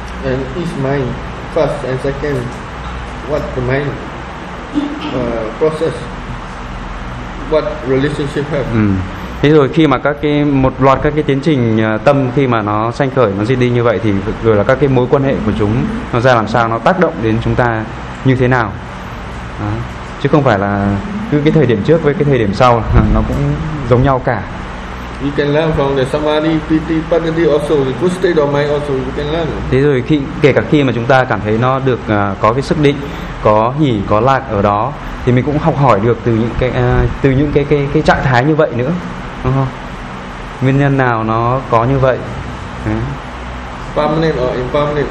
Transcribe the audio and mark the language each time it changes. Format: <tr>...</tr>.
<en>And each mind, first and second, what the mind process, what relationship have.</en> <vi>Thế rồi khi mà các cái một loạt các cái tiến trình tâm khi mà nó sanh khởi, nó diệt đi như vậy, thì rồi là các cái mối quan hệ của chúng nó ra làm sao, nó tác động đến chúng ta như thế nào. Đó. Chứ không phải là cứ cái thời điểm trước với cái thời điểm sau nó cũng giống nhau cả.</vi> <en>You can learn from the samadhi, piti, patiti also, the good state of mind also, you can learn.</en> <vi>Thế rồi khi, kể cả khi mà chúng ta cảm thấy nó được có cái sức định, có hỉ, có lạc ở đó, thì mình cũng học hỏi được từ những cái trạng thái như vậy nữa, đúng không? Nguyên nhân nào nó có như vậy?</vi> <en>Permanent or impermanent.</en>